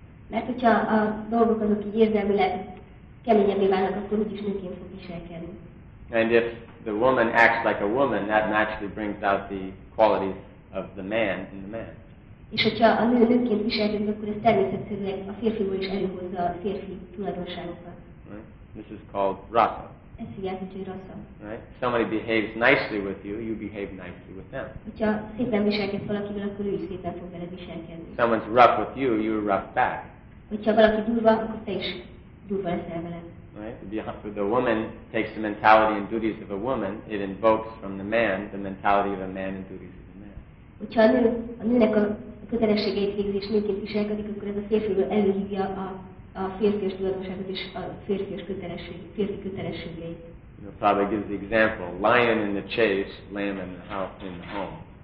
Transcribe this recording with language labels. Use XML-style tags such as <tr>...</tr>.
<hu>Mert hogyha a dolgok azok így érzelmileg keményebbé válnak, akkor úgyis nőként fog viselkedni.</hu> <en>And if the woman acts like a woman, that naturally brings out the qualities of the man in the man.</en> <hu>És hogyha a nő nőként viselkedik, akkor ez természetszerűen a férfiból is előhozza a férfi tulajdonságokat.</hu> <en>This is called rasa.</en> <hu>Ez így jelenti, hogy rasa.</hu> <en>Right? Somebody behaves nicely with you, you behave nicely with them.</en> <hu>Hogyha szépen viselkedsz valakivel, akkor ő is szépen fog vele viselkedni.</hu> <en>Someone's rough with you, you're rough back.</en> <hu>Hogyha valaki durva, akkor te is durva leszel vele.</hu> <en>Right? For the woman takes the mentality and duties of a woman, it invokes from the man the mentality of a man and duties of a man.</en> <hu>Hogyha a nőnek a kötelességeit végzi és nőként viselkedik, akkor ez a férfiből előhívja a férfias tulajdonságot és a férfias férfi kötelességeit.</hu> <en>The father gives the example, lion in the chase, lamb in the house, in the home.</en>